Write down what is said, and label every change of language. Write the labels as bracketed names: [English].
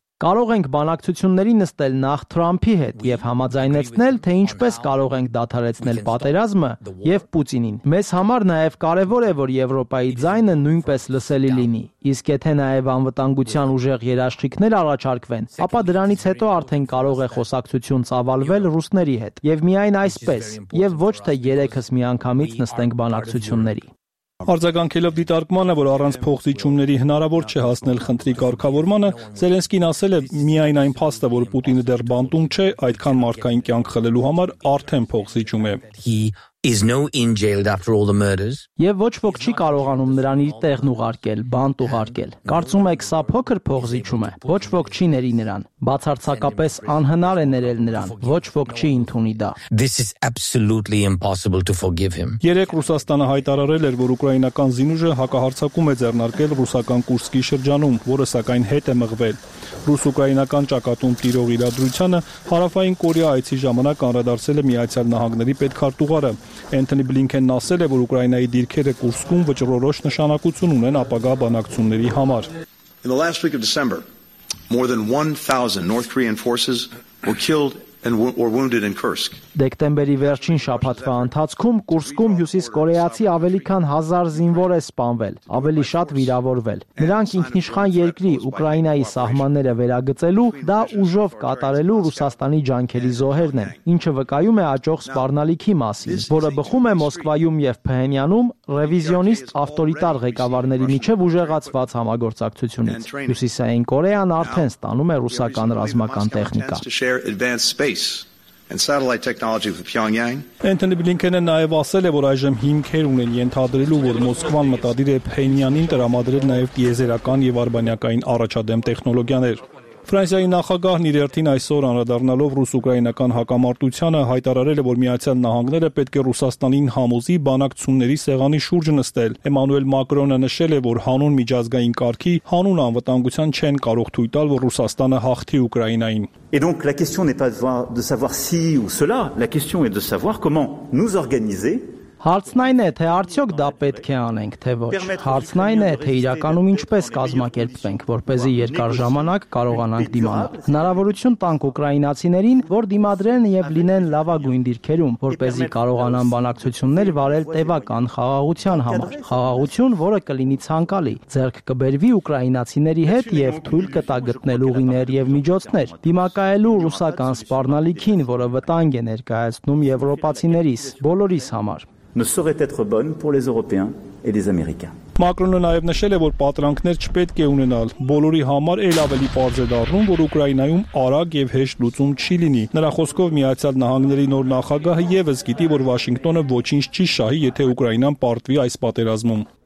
[Armenian] Կարող ենք բանակցությունների նստել նախ Թրամփի հետ եւ համաձայնեցնել, թե ինչպես կարող ենք դադարեցնել պատերազմը եւ Պուտինին։ Մեզ համար նաեւ կարեւոր է, որ Եվրոպայի ձայնը նույնպես լսելի լինի։ Իսկ եթե նաեւ անվտանգության ուժեղ երաշխիքներ առաջարկվեն, ապա դրանից հետո արդեն կարող է խոսակցություն ծավալվել ռուսների հետ։ Եվ միայն այսպես, եւ ոչ թե երեքս միանգամից նստենք բանակցությունների։ Արձագանքելով դիտարկմանը, որ առանց փոխզիջումների հնարավոր չէ հասնել խնդրի կարգավորմանը, Զելենսկին ասել է, միայն այն փաստը, որ Պուտինը դեռ բանտում չէ, այդքան մարդկային կյանք խլելու համար արդեն փոխզիջում է։ [English] Is no in jailed after all the murders. [Armenian] Եվ ոչ ոք չի կարողանում նրան իր տեղն ուղարկել, բանտ ուղարկել։ Կարծում եք, սա փոքր փողզիջում է։ Ոչ ոք չի ների նրան, բացարձակապես անհնար է ներել նրան։ Ոչ ոք չի ընդունի դա։ [English] This is absolutely impossible to forgive him. [Armenian] Երեկ Ռուսաստանը հայտարարել էր, որ ուկրաինական զինուժը հակահարցակում է ձեռնարկել ռուսական Կուրսկի շրջանում, որը սակայն հետ է մղվել։ Ռուս-ուկրաինական ճակատում տիրող իրադրությունը Հարավային Կորեա այցի ժամանակ անդրադարձել է Միացյալ Նահանգների պետքարտուղարը։ Anthony Blinken-ն ասել է, որ Ուկրաինայի դիրքերը Կուրսկում վճռորոշ նշանակություն ունեն ապագա բանակցությունների համար։ [English] In the last week of December, more than 1000 North Korean forces were killed or wounded in Kursk. [Armenian] Դեկտեմբերի վերջին շաբաթվա ընթացքում Կուրսկում հյուսիս կորեացի ավելի քան 1000 զինվոր է սպանվել, ավելի շատ վիրավորվել։ Նրանք ինքնիշխան երկրի Ուկրաինայի սահմանները վերագծելու, դա ուժով կատարելու Ռուսաստանի ջանքերի զոհերն են, ինչը վկայում է աջող սպառնալիքի մասին, որը բխում է Մոսկվայում եւ Փհենյանում ռևիզիոնիստ ավտորիտար ղեկավարների միջև ուժեղացված համագործակցությունից։ Հյուսիսային Կորեան արդեն ստանում է ռուսական ռազմական տեխնիկա [English] and satellite technology with Pyongyang. [Armenian] Anthony Blinken-ը նաև ասել է, որ այժմ հիմքեր ունեն ենթադրելու, որ Մոսկվան մտադիր է Փենյանին տրամադրել նաև տիեզերական եւ արբանյակային առաջադեմ տեխնոլոգիաներ։ Ֆրանսիայի նախագահն իր հերթին այսօր անդրադառնալով ռուս-ուկրաինական հակամարտությանը հայտարարել է, որ Միացյալ Նահանգները պետք է Ռուսաստանին համոզի բանակցությունների սեղանի շուրջ նստել։ Էմանուել Մակրոնը նշել է, որ հանուն միջազգային կարգի, հանուն անվտանգության չեն կարող թույլ տալ, որ Ռուսաստանը հաղթի Ուկրաինային։ [French] Et donc la question n'est pas de savoir si ou cela, la question est de savoir comment nous organiser. [Armenian] Հարցն այն է, թե արդյոք դա պետք է անենք, թե ոչ։ Հարցն այն է, թե իրականում ինչպես կազմակերպենք, որպեսզի երկար ժամանակ կարողանանք դիմանալ։ Հնարավորություն տանք ուկրաինացիներին, որ դիմադրեն եւ լինեն լավագույն դիրքերում, որպեսզի կարողանան բանակցություններ վարել տևական խաղաղության համար։ Խաղաղություն, որը կլինի ցանկալի, ձեռք կբերվի ուկրաինացիների հետ եւ թույլ կտա գտնել ուղիներ եւ միջոցներ դիմակայելու ռուսական սպառնալիքին, որը վտանգ է ներկայացնում եվրոպացիներիս, բոլորիս համար։ [French] Ne saurait être bonne pour les Européens et les Américains. [Armenian] Մակրոնը նաև նշել է, որ պատրանքներ չպետք է ունենալ։ Բոլորի համար էլ ավելի պարզ է դառնում, որ Ուկրաինայում արագ եւ հեշտ լուծում չի լինի։ Նրա խոսքով Միացյալ Նահանգների նոր նախագահը եւս գիտի, որ Վաշինգտոնը ոչինչ չի շահի, եթե Ուկրաինան պարտվի այս պատերազմում։